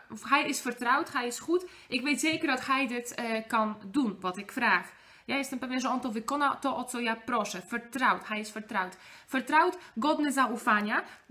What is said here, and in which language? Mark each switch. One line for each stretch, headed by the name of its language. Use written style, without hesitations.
Dutch: Of hij is vertrouwd, hij is goed. Ik weet zeker dat hij dit kan doen, wat ik vraag.
Polish: Ja, jestem pewien, że on to wykona, to o co ja proszę.
Dutch: Vertrouwd, hij is vertrouwd. Vertrouwd, godne zaufania.